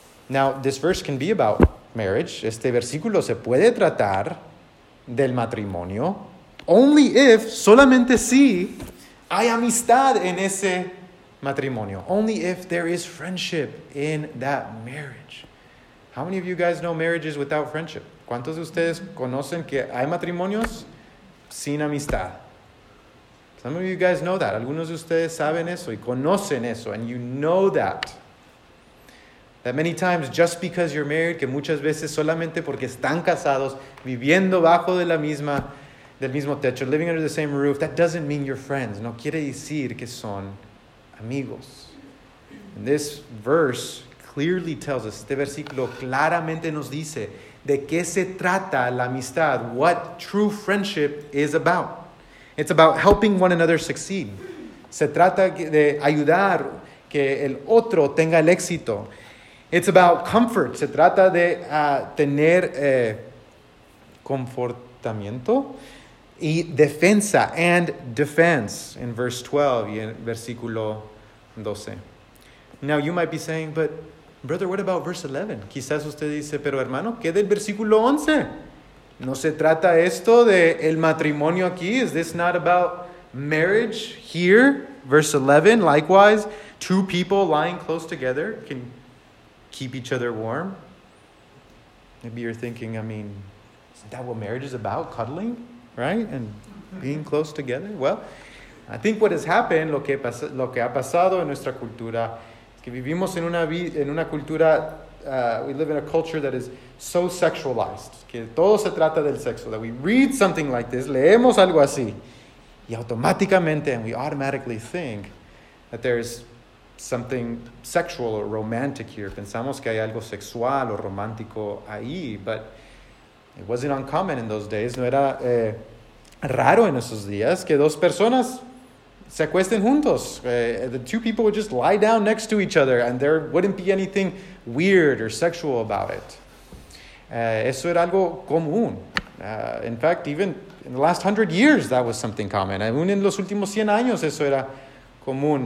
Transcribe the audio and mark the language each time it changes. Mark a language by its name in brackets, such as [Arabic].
[English] Now, this verse can be about marriage. [Spanish] Este versículo se puede tratar del matrimonio. [English] Only if, [Spanish] solamente si, hay amistad en ese matrimonio. [English] Only if there is friendship in that marriage. How many of you guys know marriages without friendship? [Spanish] ¿Cuántos de ustedes conocen que hay matrimonios sin amistad? [English] Some of you guys know that. [Spanish] Algunos de ustedes saben eso y conocen eso. [English] And you know that. That many times, just because you're married, [Spanish] que muchas veces solamente porque están casados, viviendo bajo de la misma, del mismo techo, [English] living under the same roof, that doesn't mean you're friends. [Spanish] No quiere decir que son amigos. [English] And this verse clearly tells us, [Spanish] este versículo claramente nos dice de qué se trata la amistad, [English] what true friendship is about. It's about helping one another succeed. [Spanish] Se trata de ayudar que el otro tenga el éxito. [English] It's about comfort. [Spanish] Se trata de tener confortamiento y defensa, [English] and defense in verse 12 [Spanish] y en versículo 12. [English] Now you might be saying, but brother, what about verse 11? [Spanish] Quizás usted dice, pero hermano, ¿qué del versículo 11? ¿No se trata esto de el matrimonio aquí? [English] Is this not about marriage here? Verse 11, likewise, two people lying close together can keep each other warm. Maybe you're thinking, I mean, isn't that what marriage is about? Cuddling, right? And being close together? Well, I think what has happened, [Spanish] lo que ha pasado en nuestra cultura, es que vivimos en una cultura, [English] we live in a culture that is so sexualized, [Spanish] que todo se trata del sexo, [English] that we read something like this, [Spanish] leemos algo así, y automáticamente, [English] and we automatically think that there is something sexual or romantic here. [Spanish] Pensamos que hay algo sexual o romántico ahí, [English] but it wasn't uncommon in those days. [Spanish] No era raro en esos días que dos personas se acuesten juntos. [English] The two people would just lie down next to each other and there wouldn't be anything weird or sexual about it. [Spanish] Eso era algo común. [English] In fact, even in the last 100 years, that was something common. [Spanish] Aún en los últimos 100 años, eso era común.